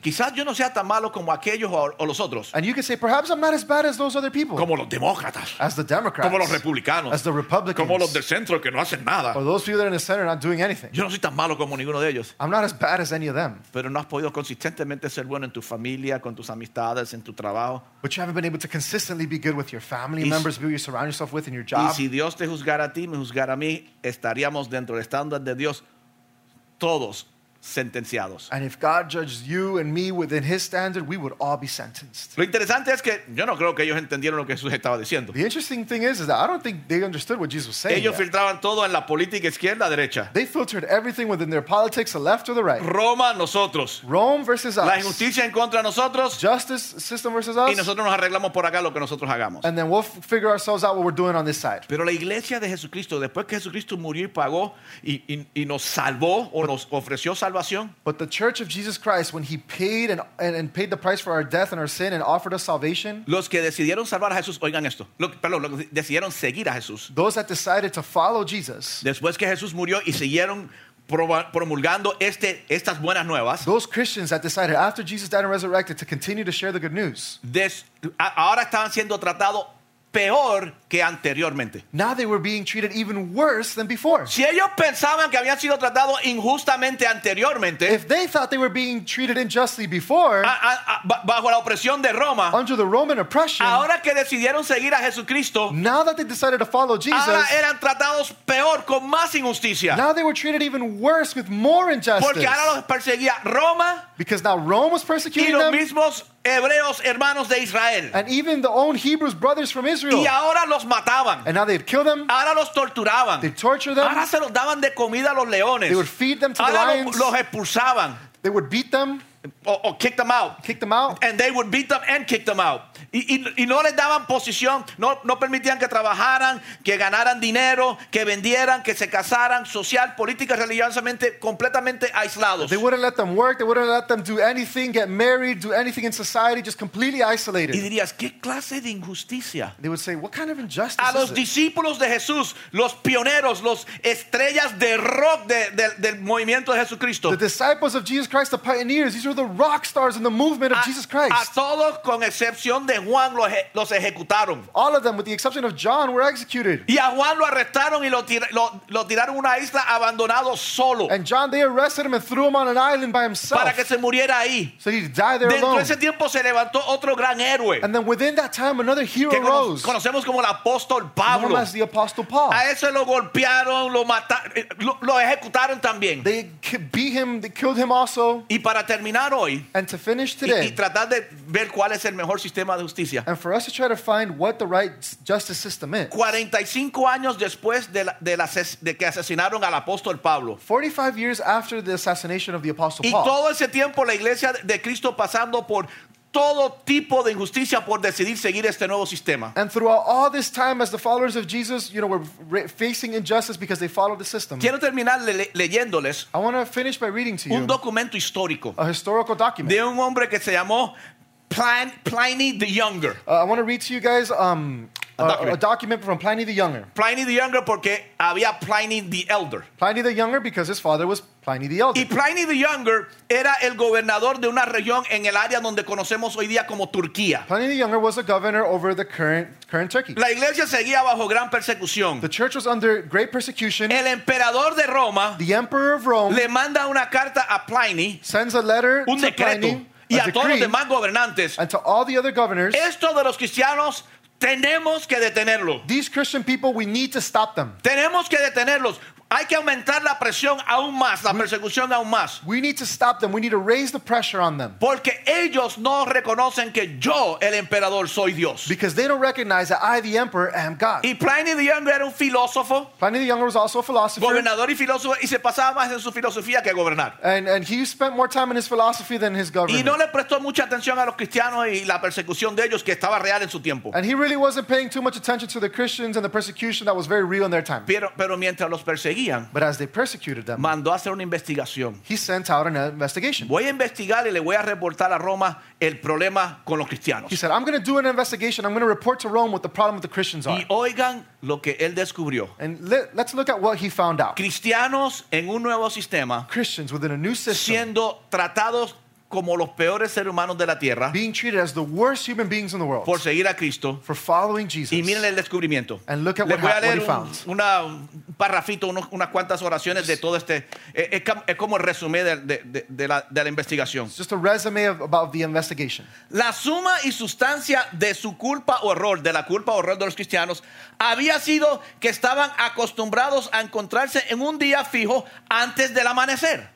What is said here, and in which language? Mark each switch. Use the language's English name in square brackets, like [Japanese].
[Spanish] Quizás yo no sea tan malo como aquellos o los otros. [English] And you can say, perhaps I'm not as bad as those other people. [Spanish] Como los demócratas. [English] As the Democrats. [Spanish] Como los republicanos. [English] As the Republicans. [Spanish] Como los del centro que no hacen nada. [English] Or those people that are in the center not doing anything. [Spanish] Yo no soy tan malo como ninguno de ellos. [English] I'm not as bad as any of them. [Spanish] Pero no has podido consistentemente ser bueno en tu familia, con tus amistades, en tu trabajo. [English] But you haven't been able to consistently be good with your family members, who you surround yourself with in your job. [Spanish] Y si Dios te juzgara a ti, me juzgara a mí, estaríamos dentro del estándar de Dios todos sentenciados. [English] And if God judged you and me within his standard, we would all be sentenced. [Spanish] Lo interesante es que yo no creo que ellos entendieron lo que Jesús estaba diciendo. [English] The interesting thing is that I don't think they understood what Jesus was saying. [Spanish] Ellos filtraban todo en la política izquierda, derecha. [English] They filtered everything within their politics, the left or the right. [Spanish] Roma, nosotros. [English] Rome versus us. [Spanish] La injusticia en contra de nosotros. [English] Justice system versus us. [Spanish] Y nosotros nos arreglamos por acá lo que nosotros hagamos. [English] And then we'll figure ourselves out what we're doing on this side. [Spanish] Pero la iglesia de Jesucristo, después que Jesucristo murió y pagó y nos salvó o nos ofreció salvación. [English] But the Church of Jesus Christ, when he paid and paid the price for our death and our sin and offered us salvation, [Spanish] los que decidieron salvar a Jesús, oigan esto, los que decidieron seguir a Jesús, [English] those that decided to follow Jesus, [Spanish] después que Jesús murió y siguieron promulgando estas buenas nuevas, [English] those Christians that decided after Jesus died and resurrected to continue to share the good news, [Spanish] ahora estaban siendo tratados peor que anteriormente. [English] Now they were being treated even worse than before. [Spanish] Si ellos pensaban que habían sido tratados injustamente anteriormente, [English] if they thought they were being treated unjustly before, [Spanish] bajo la opresión de Roma, [English] under the Roman oppression, [Spanish] ahora que decidieron seguir a Jesucristo, [English] now that they decided to follow Jesus, [Spanish] ahora eran tratados peor con más injusticia. [English] Now they were treated even worse with more injustice. [Spanish] Porque ahora los perseguía Roma. [English] Because now Rome was persecuting them. [Spanish] Y los mismos Hebreos, hermanos de Israel. [English] And even the own Hebrews, brothers from Israel. [Spanish] Y ahora los mataban. [English] And now they'd kill them. [Spanish] Ahora los torturaban. [English] They'd torture them. [Spanish] Ahora se los daban de comida a los leones. [English] They would feed them to [Spanish] ahora [English] the lions. [Spanish] Los expulsaban. [English] They would beat them. Or kick them out. Kick them out. And they would beat them and kick them out. [Spanish] Y no les daban posición. No permitían que trabajaran, que ganaran dinero, que vendieran, que se casaran, social, política, religiosamente, completamente aislados. [English] They wouldn't let them work. They wouldn't let them do anything, get married, do anything in society, just completely isolated. [Spanish] Y dirías, ¿qué clase de injusticia? [English] They would say, what kind of injustice is it? [Spanish] A los discípulos de Jesús, los pioneros, los estrellas de rock del movimiento de Jesucristo. [English] The disciples of Jesus Christ, the pioneers, these were the rock stars in the movement of Jesus Christ. [Spanish] A todos, con excepción de Juan, los ejecutaron. [English] All of them, with the exception of John, were executed. [Spanish] Y a Juan lo arrestaron y lo tiraron a una isla abandonado solo. [English] And John, they arrested him and threw him on an island by himself. [Spanish] Para que se muriera ahí. [English] So he'd die there [Spanish] dentro [English] alone. [Spanish] De ese tiempo se levantó otro gran héroe. [English] And then within that time, another hero rose. [Spanish] Conocemos como el apóstol Pablo. [English] Known as the Apostle Paul. [Spanish] A ese lo golpearon, lo mataron, lo ejecutaron también. [English] They beat him, they killed him also. [Spanish] Y para terminar hoy, [English] and to finish today, [Spanish] y tratar de ver cuál es el mejor sistema de justicia, [English] and for us to try to find what the right justice system is. [Spanish] 45 años después de que asesinaron al apóstol Pablo, [English] 45 years after the assassination of the Apostle Paul, [Spanish] y todo ese tiempo la iglesia de Cristo pasando por todo tipo de injusticia por decidir seguir este nuevo sistema. [English] And throughout all this time, as the followers of Jesus, you know, were facing injustice because they followed the system. [Spanish] Quiero terminar leyéndoles. [English] I want to finish by reading to you. [Spanish] Un documento histórico. [English] A historical document. [Spanish] De un hombre que se llamó Pliny the Younger. [English] I want to read to you guys a document from Pliny the Younger. [Spanish] Pliny the Younger porque había Pliny the Elder. [English] Pliny the Younger because his father was Pliny the Elder. [Spanish] Y Pliny the Younger era el gobernador de una región en el área donde conocemos hoy día como Turquía. [English] Pliny the Younger was a governor over the current Turkey. [Spanish] La iglesia seguía bajo gran persecución. [English] The church was under great persecution. [Spanish] El emperador de Roma, [English] the emperor of Rome, [Spanish] le manda una carta a Pliny, [English] sends a letter [Spanish] un [English] to [Spanish] decreto, [English] Pliny, [Spanish] y a todos los demás gobernantes, [English] and to all the other governors, [Spanish] esto de los cristianos tenemos que detenerlo. [English] These Christian people, we need to stop them. [Spanish] Tenemos que detenerlos. Hay que aumentar la presión aún más, la persecución aún más. [English] We need to stop them. We need to raise the pressure on them. [Spanish] Porque ellos no reconocen que yo, el emperador, soy Dios. [English] Because they don't recognize that I, the emperor, am God. [Spanish] Y Pliny the Younger era un filósofo. [English] Pliny the Younger was also a philosopher. [Spanish] Gobernador y filósofo, y se pasaba más en su filosofía que gobernar. [English] And he spent more time in his philosophy than his government. [Spanish] Y no le prestó mucha atención a los cristianos y la persecución de ellos que estaba real en su tiempo. [English] And he really wasn't paying too much attention to the Christians and the persecution that was very real in their time. [Spanish] Pero mientras los perseguía, perseguían, [English] but as they persecuted them, [Spanish] mandó hacer una investigación. [English] He sent out an investigation. [Spanish] Voy a investigar y le voy a reportar a Roma el problema con los cristianos. [English] He said, I'm going to do an investigation. I'm going to report to Rome what the problem with the Christians are. [Spanish] Y oigan lo que él descubrió. [English] And let's look at what he found out. [Spanish] Cristianos en un nuevo sistema, [English] Christians within a new system, [Spanish] siendo tratados como los peores seres humanos de la tierra, [English] being treated as the worst human beings in the world, [Spanish] por seguir a Cristo, [English] for following Jesus. [Spanish] Y miren el descubrimiento. [English] And look at what he found. [Spanish] Les voy a leer un parrafito, unas cuantas oraciones de todo este. Es como el resumen de la investigación. [English] It's just a resume about the investigation. [Spanish] La suma y sustancia de su culpa o error, de la culpa o error de los cristianos, había sido que estaban acostumbrados a encontrarse en un día fijo antes del amanecer.